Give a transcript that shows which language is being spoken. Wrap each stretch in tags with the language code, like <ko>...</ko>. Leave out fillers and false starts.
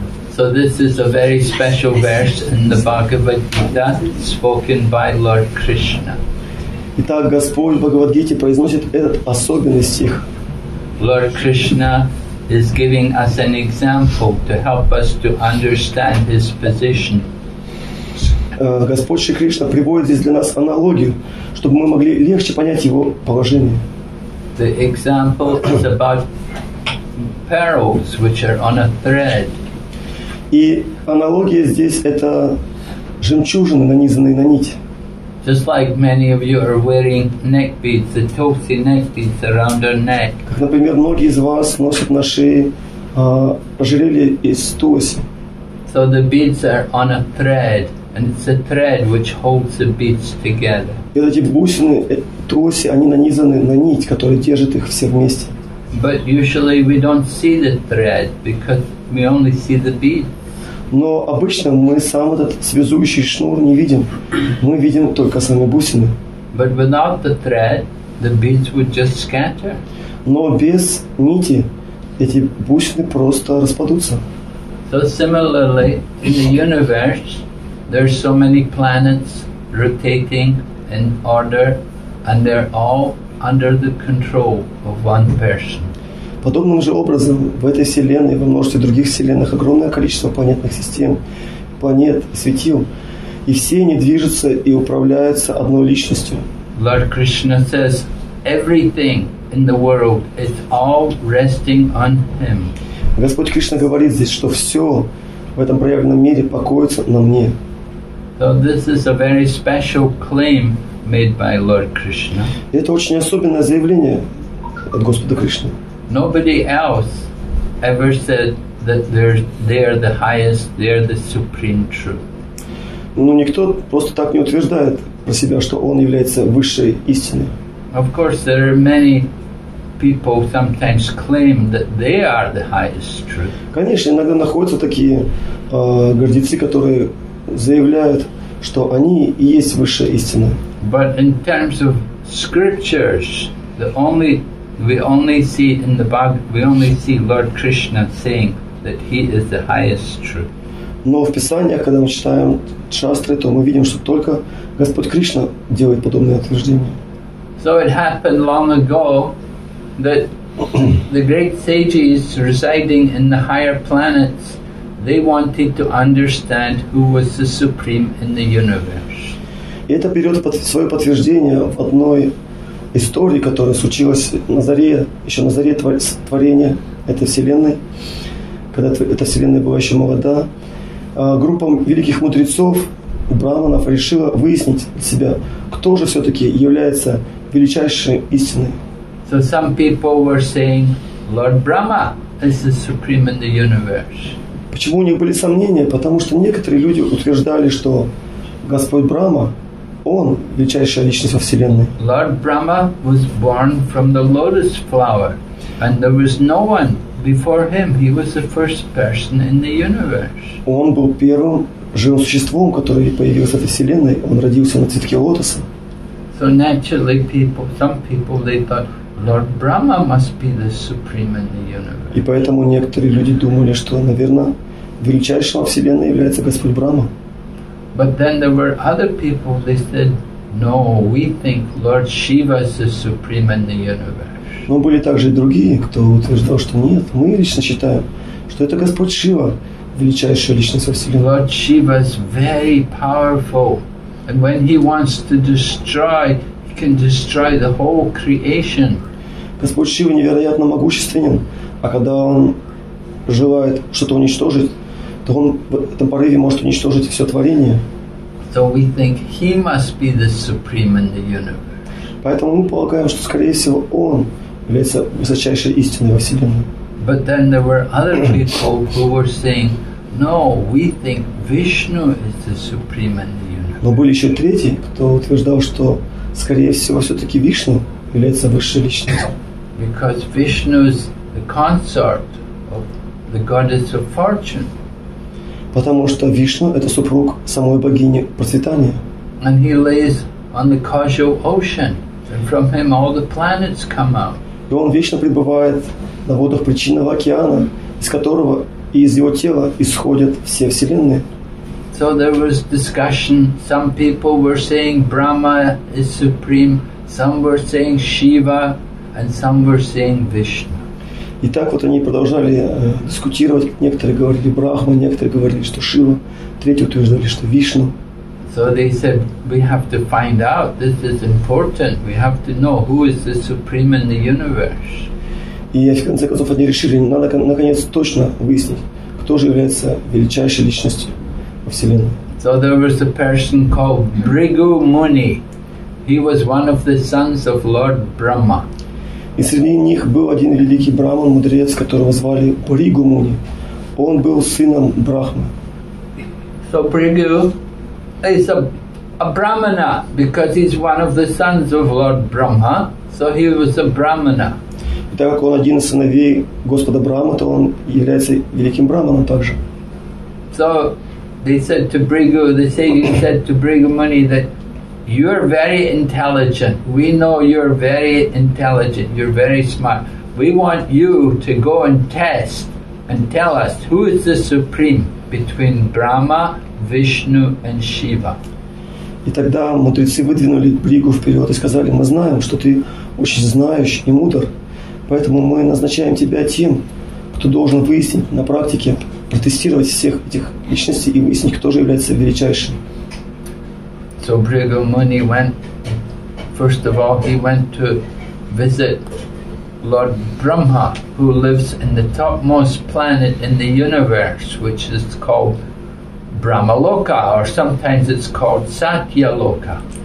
<en>So this is a very special verse in the Bhagavad Gita spoken by Lord Krishna.</en> <ru>Итак, Господь в Бхагавад-гите произносит этот особенный стих.</ru> <en>Lord Krishna is giving us an example to help us to understand his position.</en> <ru>Господь Шри Кришна приводит здесь для нас аналогию, чтобы мы могли легче понять его положение.</ru> <en>The example is about pearls which are on a thread.</en> <ru>И аналогия здесь – это жемчужины, нанизанные на нить.</ru> <en>Just like many of you are wearing neck beads, the tulsi neck beads around our neck.</en> <ru>Как, например, многие из вас носят на шее ожерелье из тулси.</ru> <en>So the beads are on a thread, and it's a thread which holds the beads together.</en> <ru>И эти бусины, тулси, они нанизаны на нить, которая держит их все вместе.</ru> <en>But usually we don't see the thread because we only see the beads.</en> <ru>Но обычно мы сам этот связующий шнур не видим. Мы видим только сами бусины.</ru> <en>But without the thread, the beads would just scatter.</en> <ru>Но без нити эти бусины просто распадутся.</ru> <en>So similarly, in the universe, there's so many planets rotating in order, and they're all under the control of one person.</en> <ru>Подобным же образом в этой вселенной и во множестве других вселенных огромное количество планетных систем, планет, светил, и все они движутся и управляются одной личностью.</ru> <en>Lord Krishna says, everything in the world is all resting on Him.</en> <ru>Господь Кришна говорит здесь, что все в этом проявленном мире покоится на мне.</ru> <en>So this is a very special claim made by Lord Krishna.</en> <ru>Это очень особенное заявление от Господа Кришны.</ru> <en>Nobody else ever said that they are the highest, they are the supreme truth.</en> <ru>Ну, никто просто так не утверждает про себя, что он является высшей истиной.</ru> <en>Of course, there are many people sometimes claim that they are the highest truth.</en> <ru>Конечно, иногда находятся такие гордецы, которые заявляют, что они и есть высшая истина.</ru> <en>But in terms of scriptures, the only We only see Lord Krishna saying that He is the highest truth.</en> <ru>Но в Писаниях, когда мы читаем шастры, то мы видим, что только Господь Кришна делает подобные утверждения.</ru> <en>So it happened long ago that the great sages residing in the higher planets, they wanted to understand who was the supreme in the universe.</en> <ru>И это берет свое подтверждение в одной истории, которая случилась на заре, еще на заре творения этой вселенной, когда эта вселенная была еще молода, группа великих мудрецов, браманов, решила выяснить для себя, кто же все-таки является величайшей истиной.</ru> <en>So some people were saying, Lord Brahma is the supreme in the universe.</en> <ru>Почему у них были сомнения? Потому что некоторые люди утверждали, что Господь Брахма, Он величайшая личность во вселенной.</ru> <en>Lord Brahma was born from the lotus flower, and there was no one before him. He was the first person in the universe.</en> <ru>Он был первым живым существом, которое появилось в этой вселенной. Он родился на цветке лотоса.</ru> <en>So naturally, some people they thought Lord Brahma must be the supreme in the universe.</en> <ru>И поэтому некоторые люди думали, что, наверное, величайшим во вселенной является Господь Брахма.</ru> <en>But then there were other people, they said, no, we think Lord Shiva is the supreme in the universe.</en> <ru>Но были также и другие, кто утверждал, что нет, мы лично считаем, что это Господь Шива, величайшая личность во Вселенной.</ru> <en>Lord Shiva is very powerful, and when he wants to destroy, he can destroy the whole creation.</en> <ru>Господь Шива невероятно могущественен, а когда он желает что-то уничтожить, то он в этом порыве может уничтожить все творение.</ru> <en>So we think he must be the supreme in the universe.</en> <ru>Поэтому мы полагаем, что, скорее всего, он является высочайшей истиной во Вселенной.</ru> <en>But then there were other people who were saying, no, we think Vishnu is the supreme in the universe.</en> <ru>Но были еще третьи, кто утверждал, что, скорее всего, все-таки Вишну является высшей личностью.</ru> <en>Because Vishnu is the consort of the goddess of fortune.</en> <ru>Потому что Вишну это супруг самой богини процветания.</ru> <en>And he lays on the causal ocean, and from him all the planets come out.</en> <ru>И он вечно пребывает на водах причинного океана, из которого и из его тела исходят все вселенные.</ru> <en>So there was discussion. Some people were saying Brahma is supreme. Some were saying Shiva, and some were saying Vishnu.</en> <ru>И так вот они продолжали дискутировать. Некоторые говорили Брахма, некоторые говорили, что Шива, третьи утверждали, что Вишну.</ru> <en>So they said, we have to find out. This is important. We have to know who is the supreme in the universe.</en> <ru>И в конце концов они решили, надо наконец точно выяснить, кто же является величайшей личностью во Вселенной.</ru> <en>So there was a person called Bhrigu Muni. He was one of the sons of Lord Brahma.</en> <ru>И среди них был один великий браман, мудрец, которого звали Бригу Муни. Он был сыном Брахмы.</ru> <en>So Bhrigu is a Brahmana because he's one of the sons of Lord Brahma. So he was a Brahmana.</en> <ru>И так как он один из сыновей Господа Брахмы, то он является великим браманом также.</ru> <en>So they said to Bhrigu, the sage said to Bhrigu Muni that you're very intelligent. We know you're very intelligent. You're very smart. We want you to go and test and tell us who is the supreme between Brahma, Vishnu and Shiva.</en> <ru>И тогда мудрецы выдвинули Бригу вперед и сказали: мы знаем, что ты очень знающий и мудр, поэтому мы назначаем тебя тем, кто должен выяснить на практике, протестировать всех этих личностей и выяснить, кто же является величайшим.</ru> <en>So Bhrigu Muni went, first of all, he went to visit Lord Brahma, who lives in the topmost planet in the universe, which is called Brahmaloka, or sometimes it's called Satyaloka.</en>